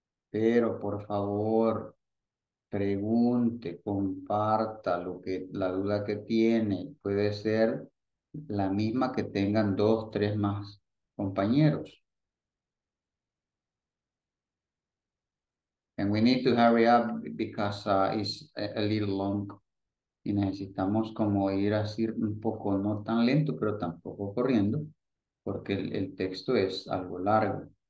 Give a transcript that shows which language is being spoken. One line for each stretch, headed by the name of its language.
Spanish: Pero, por favor, pregunte, comparta la duda que tiene. Puede ser la misma que tengan dos, tres más compañeros.
English: And we need to hurry up because it's a little long.
Spanish: Y necesitamos como ir así un poco, no tan lento, pero tampoco corriendo, porque el texto es algo largo.